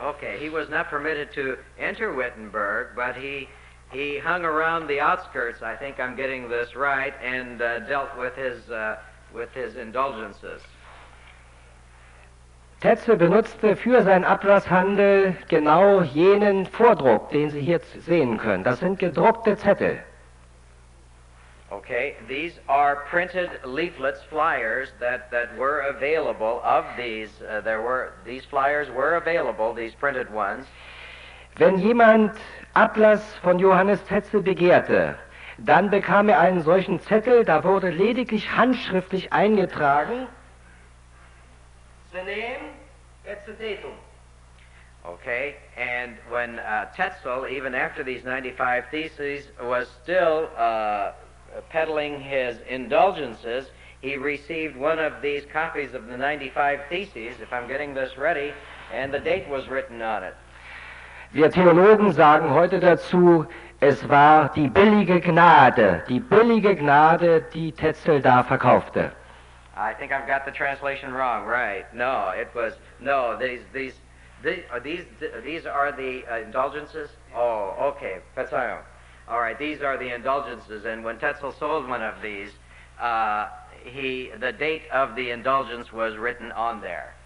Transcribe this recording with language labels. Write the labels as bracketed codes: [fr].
[en] Okay, he was not permitted to enter Wittenberg, but he hung around the outskirts, I think I'm getting this right, and dealt with his indulgences. [de] Tetzel benutzte für seinen Ablasshandel genau jenen Vordruck, den Sie hier sehen können. Das sind gedruckte Zettel. [en] Okay, these are printed leaflets, flyers that were available of these. These flyers were available, these printed ones. [de] Wenn jemand Ablass von Johannes Tetzel begehrte, dann bekam er einen solchen Zettel, da wurde lediglich handschriftlich eingetragen. [en] The name, it's the datum. Okay, and when Tetzel, even after these 95 theses, was still peddling his indulgences, he received one of these copies of the 95 theses, if I'm getting this ready, and the date was written on it. [de] Wir Theologen sagen heute dazu, es war die billige Gnade, die Tetzel da verkaufte. [en] I think I've got the translation wrong, right? No, these are the indulgences? Oh, okay, [de] Verzeihung. [en] All right, these are the indulgences, and when Tetzel sold one of these, the date of the indulgence was written on there.